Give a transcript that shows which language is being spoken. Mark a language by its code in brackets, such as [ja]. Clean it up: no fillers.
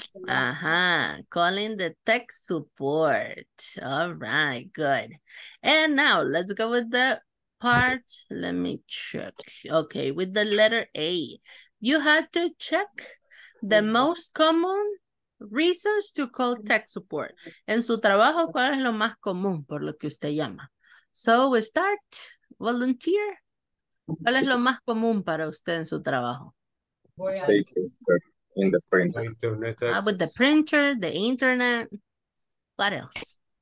[en] Uh-huh. Calling the tech support. All right. Good. And now, let's go with the part, let me check. Okay, with the letter A, you had to check the most common reasons to call tech support. [es] En su trabajo, ¿cuál es lo más común por lo que usted llama? [en] So we start, volunteer. [es] ¿Cuál es lo más común para usted en su trabajo? [en] In the printer. Internet, with the printer, the internet, what else?